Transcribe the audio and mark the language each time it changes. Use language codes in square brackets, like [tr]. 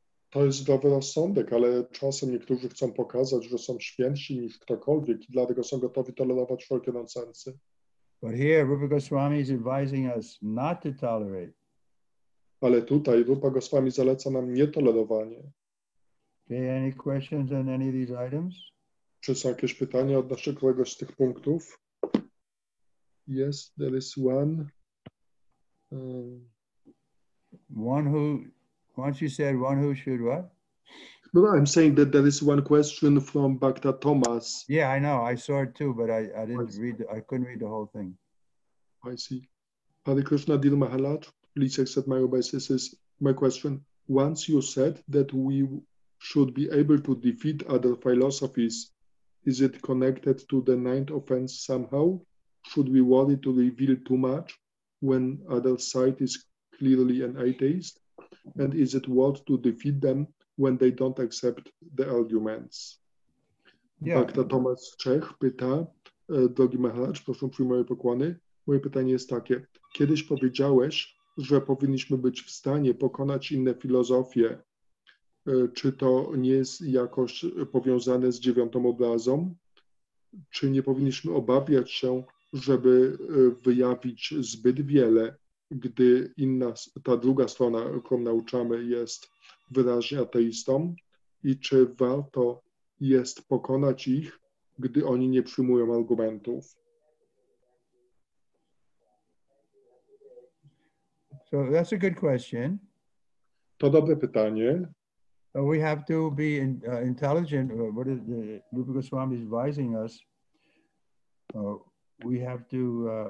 [pl] To jest zdrowy rozsądek, ale czasem niektórzy chcą pokazać, że są święci niż ktokolwiek, dlatego są gotowi tolerować wszelkie nonsense. [en] But here, Rupa Goswami is advising us not to tolerate. [pl] Ale tutaj Rupa Goswami zaleca nam nietolerowanie. [en] Okay, any questions on any of these items? [pl] Czy są jakieś pytania odnośnie któregoś z tych punktów? [en] Yes, there is one. One who, once you said one who should what? No, I'm saying that there is one question from Bhakta Thomas. Yeah, I know. I saw it too, but I couldn't read the whole thing. I see. Hare Krishna, dear Maharaj, please accept my obeisances. My question, once you said that we should be able to defeat other philosophies, is it connected to the ninth offense somehow? Should we worry to reveal too much when other side is clearly an atheist? And is it worth to defeat them when they don't accept the arguments? Yeah. Dr. [pl] Thomas Czech pyta, drogi Maharaj, proszę przyjmij moje pokłony. Moje pytanie jest takie. Kiedyś powiedziałeś, że powinniśmy być w stanie pokonać inne filozofie. Czy to nie jest jakoś powiązane z dziewiątą obrazą? Czy nie powinniśmy obawiać się, żeby wyjawić zbyt wiele, gdy inna, ta druga strona, którą nauczamy, jest wyraźnie ateistą? I czy warto jest pokonać ich, gdy oni nie przyjmują argumentów? [en] So that's a good question. [pl] To dobre pytanie. [en] So we have to be intelligent. What is the Rupa Goswami is advising us? We have to.